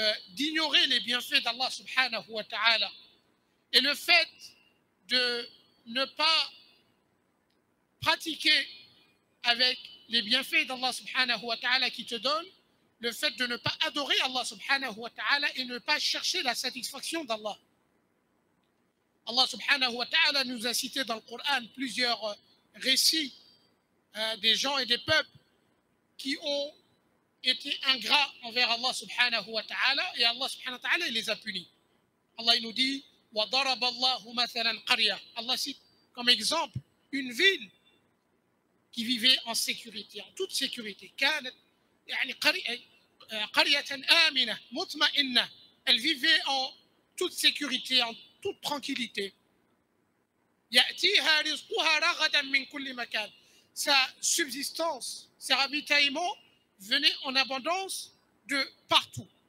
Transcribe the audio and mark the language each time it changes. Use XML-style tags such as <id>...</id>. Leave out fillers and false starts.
<fr>d'ignorer les bienfaits d'Allah subhanahu wa ta'ala et le fait de ne pas pratiquer avec les bienfaits d'Allah subhanahu wa ta'ala qui te donne, le fait de ne pas adorer Allah subhanahu wa ta'ala et ne pas chercher la satisfaction d'Allah. Allah subhanahu wa ta'ala nous a cité dans le Coran plusieurs récits des gens et des peuples qui ont été ingrats envers Allah subhanahu wa ta'ala et Allah subhanahu wa ta'ala les a punis. Allah nous dit</fr> <ar>وَضَرَبَ اللَّهُ مَثَلًا قَرْيَةً.</ar> <fr>Allah cite comme exemple une ville qui vivait en sécurité, en toute sécurité.</fr> <ar>كانت يعني قرية آمنة مطمئنة.</ar> <fr>Elle vivait en toute sécurité, en toute tranquillité.</fr> <ar>يَأْتِيهَا رِزْقُهَا رَغَدًا مِنْ كُلِّ مَكَانٍ.</ar> <fr>Sa subsistance, ses ravitaillements venaient en abondance de partout.</fr>